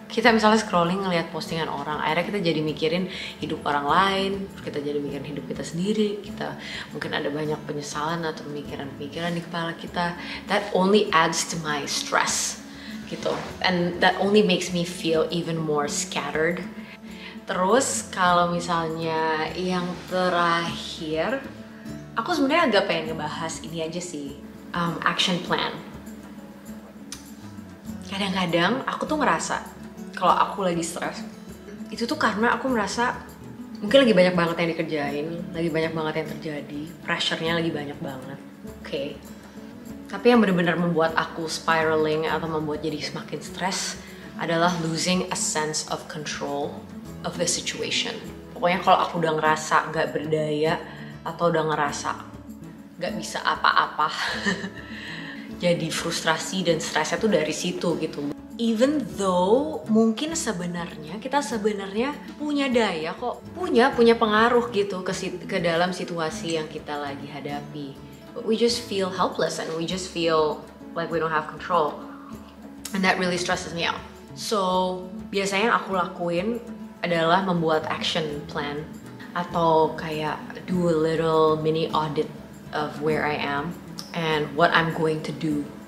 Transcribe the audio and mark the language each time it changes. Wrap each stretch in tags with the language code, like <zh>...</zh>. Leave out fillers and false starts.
<id>Kita misalnya scrolling ngelihat postingan orang, akhirnya kita jadi mikirin hidup orang lain, kita jadi mikirin hidup kita sendiri, kita mungkin ada banyak penyesalan atau pemikiran-pemikiran di kepala kita.</id> <en>That only adds to my stress,</en> <id>gitu.</id> <en>And that only makes me feel even more scattered.</en> <id>Terus kalau misalnya yang terakhir, aku sebenarnya agak pengen ngebahas ini aja sih, action plan. Kadang-kadang aku tuh ngerasa kalau aku lagi stres, itu tuh karena aku merasa mungkin lagi banyak banget yang dikerjain, lagi banyak banget yang terjadi, pressure-nya lagi banyak banget. Oke. Tapi yang benar-benar membuat aku spiraling atau membuat jadi semakin stres adalah losing a sense of control of the situation. Pokoknya kalau aku udah ngerasa gak berdaya atau udah ngerasa gak bisa apa-apa, jadi frustrasi dan stresnya tuh dari situ gitu. Even though mungkin sebenarnya kita sebenarnya punya daya kok, punya pengaruh gitu ke dalam situasi yang kita lagi hadapi.</id> <en>But we just feel helpless and we just feel like we don't have control. And that really stresses me out. So, biasanya yang aku lakuin adalah membuat action plan atau kayak do a little mini audit of where I am and what I'm going to do.</en>